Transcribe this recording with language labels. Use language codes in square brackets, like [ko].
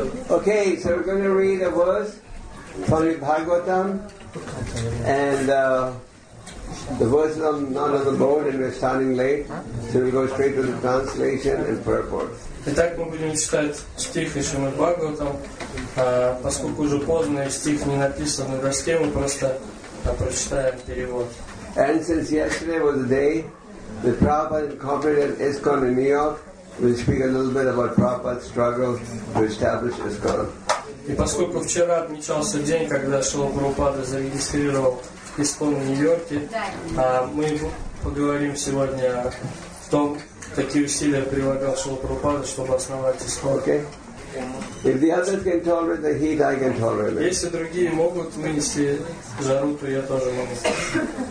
[en] Okay, so we're going to read a verse from the Bhagavatam. And the verse is not on the board and we're starting late. So we'll go straight to the translation and purport. [ru] Итак, мы будем читать стих из Шримад-Бхагаватам. Поскольку уже поздно, и стих не написан на доске, мы просто прочитаем перевод. [en] And since yesterday was the day that Prabhupada incorporated ISKCON in New York, we'll speak a little bit about Prabhupada's struggle to establish ISKCON. [ru] И поскольку вчера отмечался день, когда Шрила Прабхупада зарегистрировал ISKCON в Нью-Йорке, мы поговорим сегодня о том, какие усилия прилагал Шрила Прабхупада, чтобы основать ISKCON. [en] If the others can tolerate the heat, I can tolerate it. [ru] Если другие могут вынести жару, то я тоже могу.